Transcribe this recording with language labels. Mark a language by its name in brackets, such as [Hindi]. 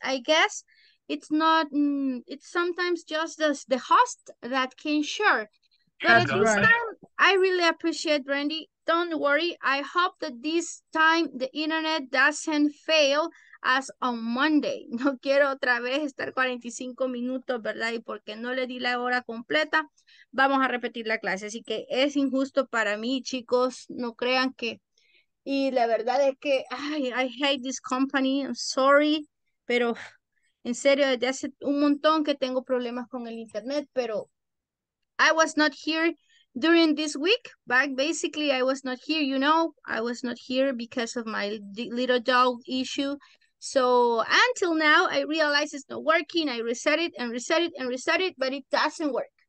[English] I guess it's not, it's sometimes just the host that can share. But at this right. Time, I really appreciate Brandy. Don't worry. I hope that this time the internet doesn't fail as on Monday. [Spanish] No quiero otra vez estar 45 minutos, ¿verdad? Y porque no le di la hora completa, vamos a repetir la clase. Así que es injusto para mí, chicos. No crean que... Y la verdad es que... Ay, [English] I hate this company. I'm sorry. [Spanish] Pero en serio, desde hace un montón que tengo problemas con el internet. Pero [English] I was not here during this week. But basically, I was not here, you know. I was not here because of my little dog issue. So until now, I realize it's not working. I reset it and reset it and reset it, but it doesn't work.